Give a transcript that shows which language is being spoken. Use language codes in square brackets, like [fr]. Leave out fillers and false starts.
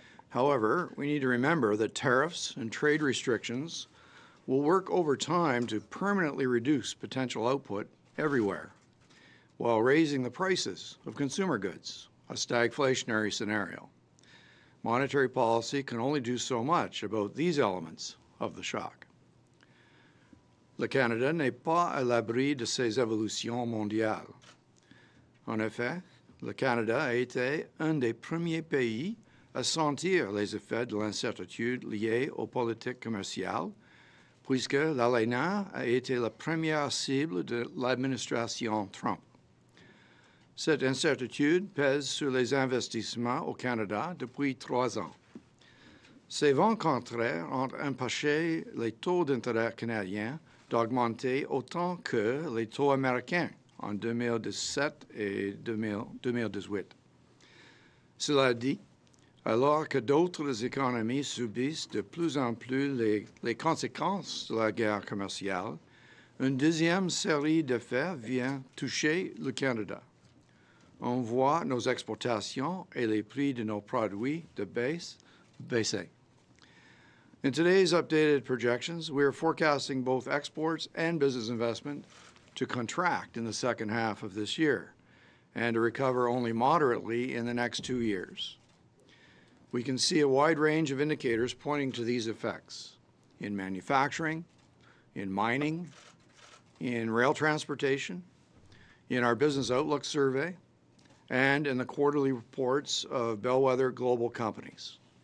[en] However, we need to remember that tariffs and trade restrictions will work over time to permanently reduce potential output everywhere, while raising the prices of consumer goods, a stagflationary scenario. Monetary policy can only do so much about these elements of the shock. [fr] Le Canada n'est pas à l'abri de ces évolutions mondiales. En effet, le Canada a été un des premiers pays à sentir les effets de l'incertitude liée aux politiques commerciales, puisque l'ALENA a été la première cible de l'administration Trump. Cette incertitude pèse sur les investissements au Canada depuis trois ans. Ces vents contraires ont empêché les taux d'intérêt canadiens d'augmenter autant que les taux américains en 2017 et 2018. Cela dit, alors que d'autres économies subissent de plus en plus les conséquences de la guerre commerciale, une deuxième série d'effets vient toucher le Canada. On voit nos exportations et les prix de nos produits de base baisser. [en] In today's updated projections, we are forecasting both exports and business investment to contract in the second half of this year and to recover only moderately in the next 2 years. We can see a wide range of indicators pointing to these effects in manufacturing, in mining, in rail transportation, in our business outlook survey, and in the quarterly reports of bellwether global companies.